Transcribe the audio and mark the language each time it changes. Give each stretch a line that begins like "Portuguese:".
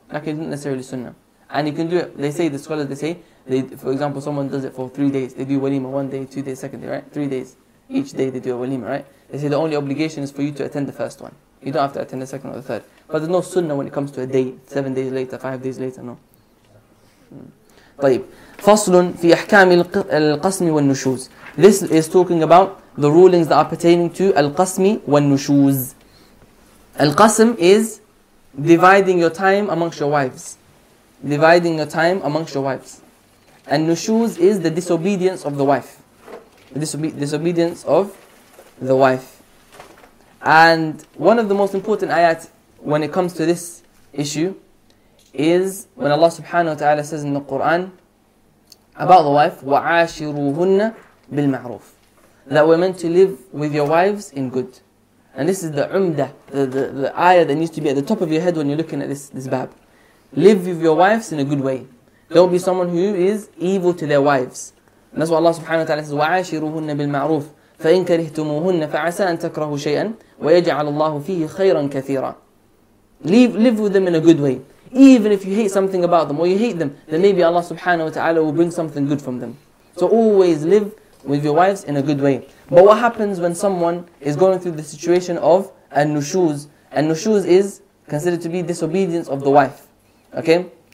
English: Like, it's not necessarily sunnah. And you can do it, the scholars say, for example, someone does it for 3 days. They do walima 1 day, 2 days, second day, right? 3 days. Each day they do a walima, right? They say the only obligation is for you to attend the first one. You don't have to attend the second or the third. But there's no sunnah when it comes to a day, 7 days later, 5 days later, no.
Arabic: طيب. فصل في أحكام القسم والنشوز.
English: This is talking about the rulings that are pertaining to
Arabic: القسم والنشوز.
English: القسم is dividing your time amongst your wives. Dividing your time amongst your wives. And nushuz is the disobedience of the wife. Disobedience of the wife. And one of the most important ayat when it comes to this issue is when Allah subhanahu wa ta'ala says in the Quran about the wife,
Arabic: وَعَاشِرُوهُنَّ بِالْمَعْرُوفِ,
English: that we're meant to live with your wives in good. And this is the umdah, the ayah that needs to be at the top of your head when you're looking at this bab. Live with your wives in a good way. There will be someone who is evil to their wives. And that's what Allah subhanahu wa ta'ala says,
Arabic: وَعَاشِرُوهُنَّ بِالْمَعْرُوفِ فَإِنْ كَرِهْتُمُوهُنَّ فَعَسَىٰ أَن تَكْرَهُوا شَيْئًا وَيَجْعَلَ اللَّهُ فِيهِ خَيْرًا كَثِيرًا.
English: Live with them in a good way. Even if you hate something about them or you hate them, then maybe Allah subhanahu wa ta'ala will bring something good from them. So always live with your wives in a good way. But what happens when someone is going through the situation of an-nushuz? An-nushuz is considered to be disobedience of the wife. Okay?